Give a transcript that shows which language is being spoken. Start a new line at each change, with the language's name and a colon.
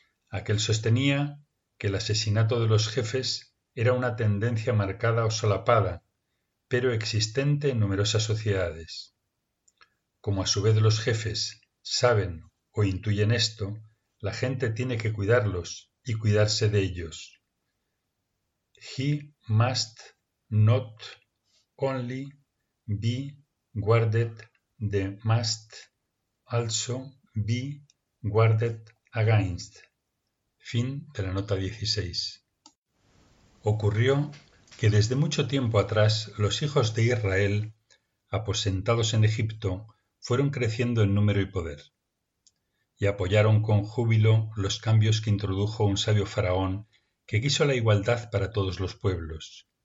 Spanish: Aquel sostenía que el asesinato de los jefes era una tendencia marcada o solapada, pero existente en numerosas sociedades. Como a su vez los jefes saben o intuyen esto, la gente tiene que cuidarlos y cuidarse de ellos.
English: He must not only be guarded, they must also be guarded against.
Spanish: Fin de la nota 16. Ocurrió que desde mucho tiempo atrás los hijos de Israel, aposentados en Egipto, fueron creciendo en número y poder, y apoyaron con júbilo los cambios que introdujo un sabio faraón que quiso la igualdad para todos los pueblos.